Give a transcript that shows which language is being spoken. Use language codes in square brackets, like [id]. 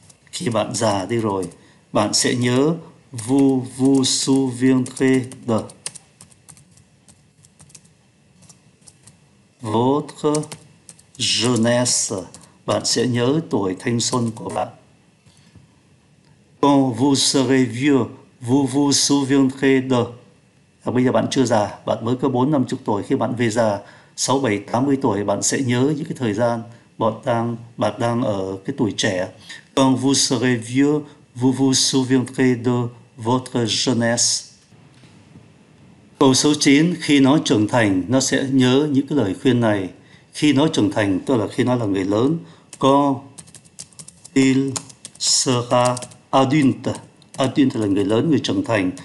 [vi] Khi bạn già đi rồi, bạn sẽ nhớ [fr] vous souviendrai de. Votre jeunesse, [vi] bạn sẽ nhớ tuổi thanh xuân của bạn. [fr] Quand vous serez vieux, vous souviendrez de. [vi] Bây giờ bạn chưa già, bạn mới có 40-50 tuổi. Khi bạn về già, 60-70 tuổi, bạn sẽ nhớ những cái thời gian bạn đang ở cái tuổi trẻ. [fr] Quand vous serez vieux, vous souviendrez de votre jeunesse. [vi] Câu số 9, khi nó trưởng thành, nó sẽ nhớ những cái lời khuyên này. Khi nó trưởng thành, tức là khi nó là người lớn. [fr] Quand il sera adulte. [vi] Adulte là người lớn, người trưởng thành.